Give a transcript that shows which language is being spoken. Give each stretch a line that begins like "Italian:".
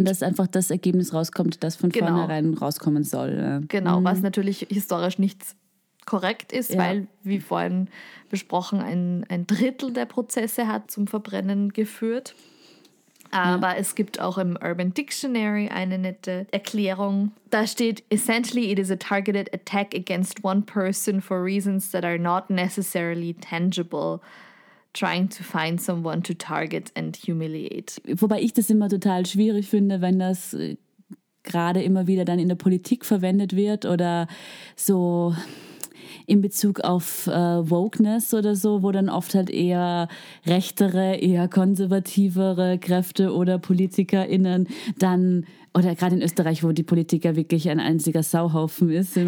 German: Und dass einfach das Ergebnis rauskommt, das von vornherein rauskommen soll. Genau, was natürlich historisch nicht korrekt ist, weil, wie vorhin besprochen, ein Drittel der Prozesse hat zum Verbrennen geführt. Aber es gibt auch im Urban Dictionary eine nette Erklärung. Da steht,
English: essentially it is a targeted attack against one person for reasons that are not necessarily tangible, trying to find someone to target and humiliate.
German: Wobei ich das immer total schwierig finde, wenn das gerade immer wieder dann in der Politik verwendet wird oder so in Bezug auf Wokeness oder so, wo dann oft halt eher rechtere, eher konservativere Kräfte oder PolitikerInnen dann, oder gerade in Österreich, wo die Politik ja wirklich ein einziger Sauhaufen ist.